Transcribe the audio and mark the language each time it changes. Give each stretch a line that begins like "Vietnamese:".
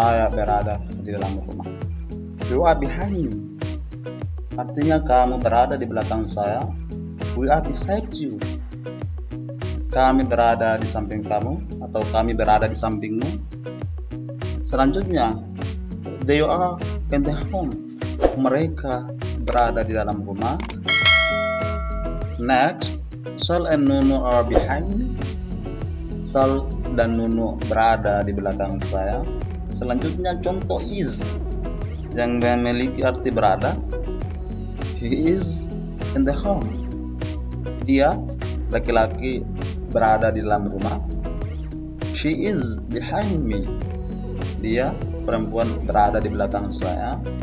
Indonesian: berada di dalam rumah.
English: You are behind me.
Indonesian: Artinya kamu berada di belakang saya.
English: We are beside you.
Indonesian: Kami berada di samping kamu atau kami berada di sampingmu.
English: Selanjutnya, they are in the home.
Indonesian: Mereka berada di dalam rumah.
English: Next, Sal and Nunu are behind me.
Indonesian: Sal dan Nunu berada di belakang saya. Selanjutnya, contoh is yang memiliki arti berada.
English: He is in the home.
Indonesian: Dia, laki-laki, berada di dalam rumah.
English: She is behind me.
Indonesian: Dia, perempuan, berada di belakang saya.